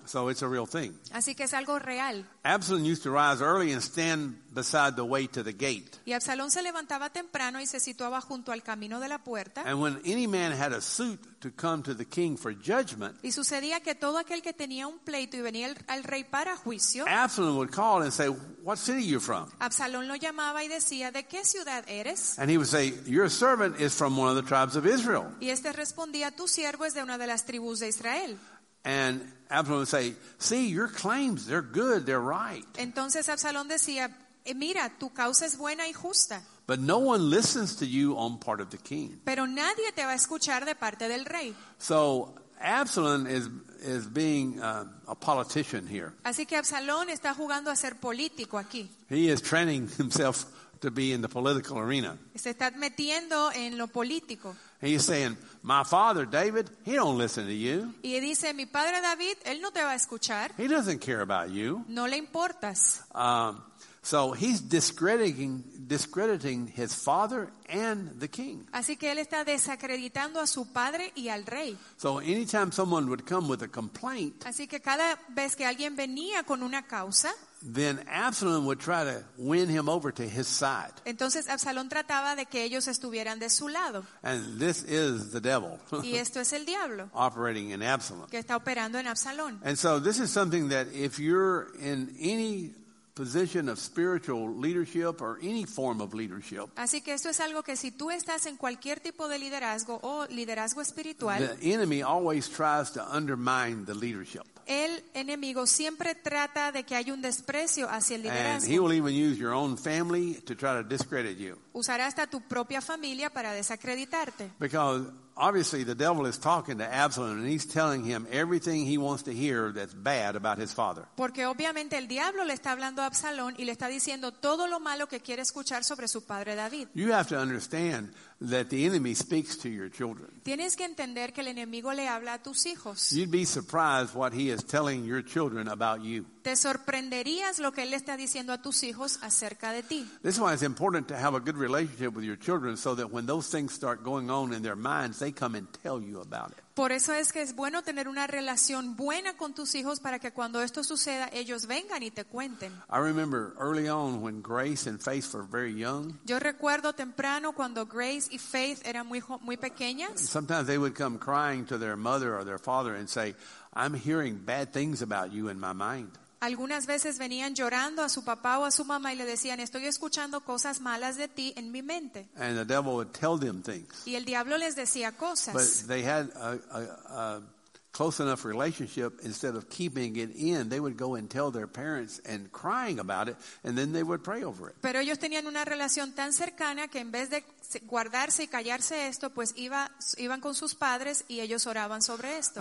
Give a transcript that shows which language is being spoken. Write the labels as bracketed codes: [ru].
[en] So it's a real thing. [es] Así que es algo real. [en] Absalom used to rise early and stand beside the way to the gate. [es] Y Absalón se levantaba temprano y se situaba junto al camino de la puerta. [en] And when any man had a suit to come to the king for judgment, [es] y sucedía que todo aquel que tenía un pleito y venía al rey para juicio, [en] Absalom would call and say, "What city are you from?" [es] Absalón lo llamaba y decía, "¿De qué ciudad eres?" [en] And he would say, "Your servant is from one of the tribes of Israel." [es] Y este respondía, "Tu siervo es de una de las tribus de Israel." [en] And Absalom would say, "See, your claims, they're good, they're right." [es] Entonces Absalón decía, "Mira, tu causa es buena y justa." [en] But no one listens to you on part of the king. [es] Pero nadie te va a escuchar de parte del rey. [en] So Absalom is being a politician here. [es] Así que Absalón está jugando a ser político aquí. [en] He is training himself to be in the political arena. [es] Se está metiendo en lo político. [en] He's saying, "My father David, he don't listen to you." [es] Y dice, "Mi padre David, él no te va a escuchar." [en] He doesn't care about you. [es] No le importas. [en] So he's discrediting his father and the king. [es] Así que él está desacreditando a su padre y al rey. [en] So anytime someone would come with a complaint, [es] así que cada vez que alguien venía con una causa, [en] then Absalom would try to win him over to his side. [es] Entonces Absalón trataba de que ellos estuvieran de su lado. [en] And this is the devil. [es] Y esto es el diablo. [en] Operating in Absalom. [es] Que está operando en Absalón. [en] And so this is something that if you're in any position of spiritual leadership or any form of leadership. [es] Así que esto es algo que si tú estás en cualquier tipo de liderazgo o liderazgo espiritual, [en] the enemy always tries to undermine the leadership. [es] El enemigo siempre trata de que haya un desprecio hacia el liderazgo. [en] And he will even use your own family to try to discredit you. [es] Usará hasta tu propia familia para desacreditarte. [en] Because obviously the devil is talking to Absalom and he's telling him everything he wants to hear that's bad about his father. [es] Porque obviamente el diablo le está hablando a Absalón y le está diciendo todo lo malo que quiere escuchar sobre su padre David. [en] You have to understand that the enemy speaks to your children. [es] Tienes que entender que el enemigo le habla a tus hijos. [en] You'd be surprised what he is telling your children about you. [es] Te sorprenderías lo que él está diciendo a tus hijos acerca de ti. [en] This is why it's important to have a good relationship with your children so that when those things start going on in their minds, they come and tell you about it. [es] Por eso es que es bueno tener una relación buena con tus hijos para que cuando esto suceda, ellos vengan y te cuenten. [en] I remember early on when Grace and Faith were very young. [es] Yo recuerdo temprano cuando Grace y Faith eran muy pequeñas. [en] Sometimes they would come crying to their mother or their father and say, "I'm hearing bad things about you in my mind." [es] Algunas veces venían llorando a su papá o a su mamá y le decían, "Estoy escuchando cosas malas de ti en mi mente." [en] And the devil would tell them things. [es] Y el diablo les decía cosas. [en] But they had a close enough relationship, instead of keeping it in, they would go and tell their parents and crying about it, and then they would pray over it. [es] Pero ellos tenían una relación tan cercana que en vez de guardarse y callarse esto, pues iban con sus padres y ellos oraban sobre esto.